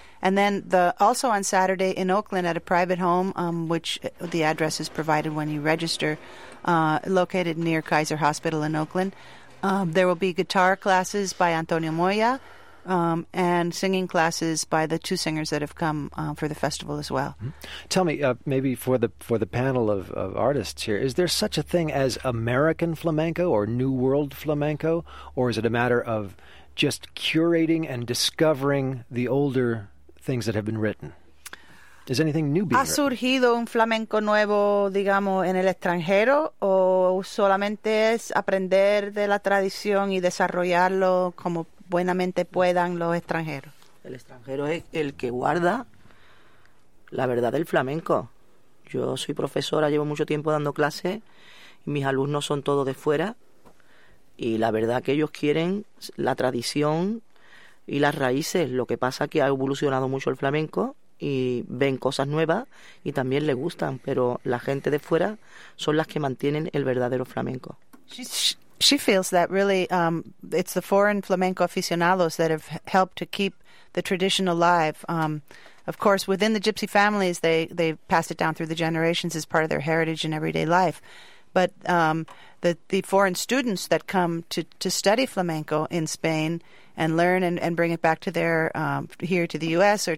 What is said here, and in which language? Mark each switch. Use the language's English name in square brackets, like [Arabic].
[English] And then also on Saturday in Oakland at a private home, which the address is provided when you register, located near Kaiser Hospital in Oakland, there will be guitar classes by Antonio Moya and singing classes by the two singers that have come for the festival as well. Mm-hmm. Tell me, maybe for the panel of artists here, is there such a thing as American flamenco or New World flamenco, or is it a matter of just curating and discovering the older things that have been written? Is anything new being written? [Spanish] ¿Ha surgido un flamenco nuevo, digamos, en el extranjero, o solamente es aprender de la tradición y desarrollarlo como buenamente puedan los extranjeros? El extranjero es el que guarda la verdad del flamenco. Yo soy profesora, llevo mucho tiempo dando clases, y mis alumnos son todos de fuera, y la verdad que ellos quieren la tradición y las raíces. Lo que pasa es que ha evolucionado mucho el flamenco y ven cosas nuevas y también le gustan, pero la gente de fuera son las que mantienen el verdadero flamenco. [English] She feels that really it's the foreign flamenco aficionados that have helped to keep the tradition alive. Of course, within the gypsy families, they pass it down through the generations as part of their heritage and everyday life. But the foreign students that come to study flamenco in Spain and learn and bring it back to their here to the U.S.